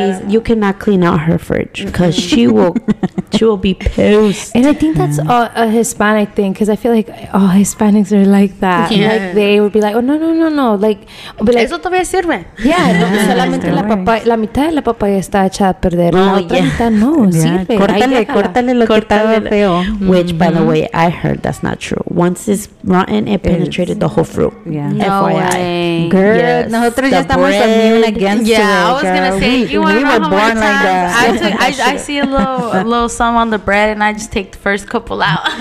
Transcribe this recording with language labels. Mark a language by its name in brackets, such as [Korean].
[English] You cannot clean out her fridge because she will be pissed. And I think that's a Hispanic thing, because I feel like all Hispanics are like that. Yeah. Like, they would be like, oh, no. Like, [Spanish] eso todavía sirve. [English] Yeah. [Spanish] Solamente la mitad de la papaya está hecha a perder. La otra mitad no sirve. Córtale lo que estaba feo. [English] Which, by the way, I heard that's not true. Once it's rotten, it penetrated the whole fruit. Yeah. No FYI. Way. Girl, yes. [Spanish] Nosotros ya estamos [English] immune against it. Yeah, today, I was going to say, I see a little some on the bread, and I just take the first couple out.